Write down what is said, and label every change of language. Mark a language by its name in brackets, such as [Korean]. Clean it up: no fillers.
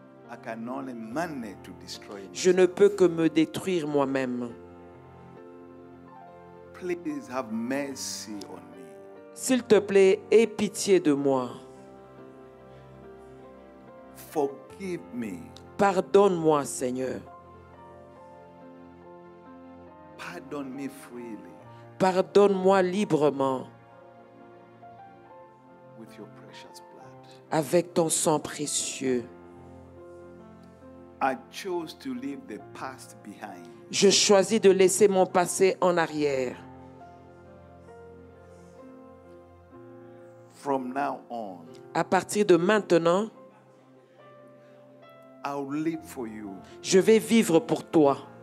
[English] I can only manage to destroy. [French] Je ne peux que me détruire moi-même. [English] Please have mercy on me. [French] S'il te plaît, aie pitié de moi. [English] Forgive me. [French] Pardonne-moi, Seigneur. [English] Pardon me freely. [French] Pardonne-moi librement. [English] With your precious blood. [French] Avec ton sang précieux. [English] I chose to leave the past behind. [French] Je choisis de laisser mon passé en arrière. [English] From now on, [French] à partir de maintenant, [English] I'll live for you. [French] Je vais vivre pour toi.